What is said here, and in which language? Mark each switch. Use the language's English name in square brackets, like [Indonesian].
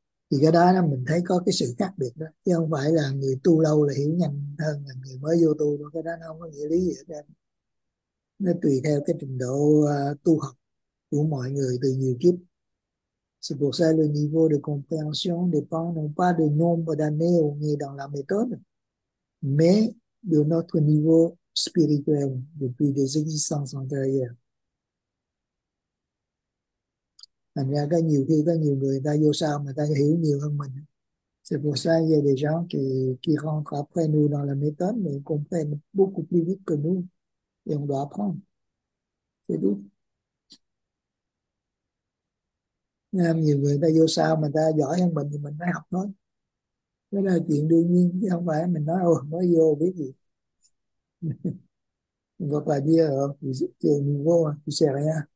[Vietnamese] Thì cái đó mình thấy có cái sự khác biệt đó, chứ không phải là người tu lâu là hiểu nhanh hơn là người mới vô tu đâu. Cái đó nó không có nghĩa lý gì hết, nó tùy theo cái trình độ tu học của mọi người từ nhiều kiếp. [French] C'est pour ça le niveau de compréhension dépend non pas du nombre d'années ou dans la méthode, mais de notre niveau spirituel depuis des existences antérieures. [Vietnamese] Thành ra có nhiều khi có nhiều người ta vô sao mà ta hiểu nhiều hơn mình. [French] C'est pour ça il y a des gens qui rentrent après nous dans la méthode, mais ils comprennent beaucoup plus vite que nous. Et on doit apprendre. C'est tout. [Vietnamese] Nhiều người ta vô sao mà ta giỏi hơn mình thì mình phải học thôi. Đó là chuyện đương nhiên, chứ không phải mình nói ôi mới vô biết gì. [French] On va pas dire tu es nouveau, tu sais rien.